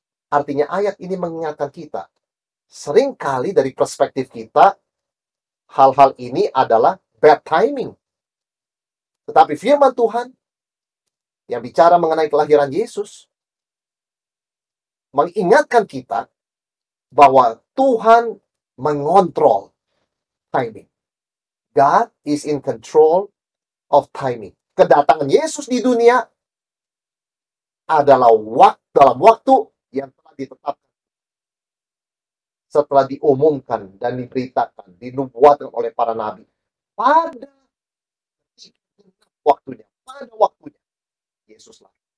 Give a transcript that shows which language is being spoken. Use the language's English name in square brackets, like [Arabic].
[Indonesian] Artinya ayat ini mengingatkan kita, seringkali dari perspektif kita, hal-hal ini adalah [English] bad timing. [Indonesian] Tetapi firman Tuhan yang bicara mengenai kelahiran Yesus mengingatkan kita bahwa Tuhan mengontrol timing. [English] God is in control of timing. [Indonesian] Kedatangan Yesus di dunia adalah dalam waktu yang telah ditetapkan. Setelah diumumkan dan diberitakan, dinubuatkan oleh para nabi. Pada waktunya, Yesuslah.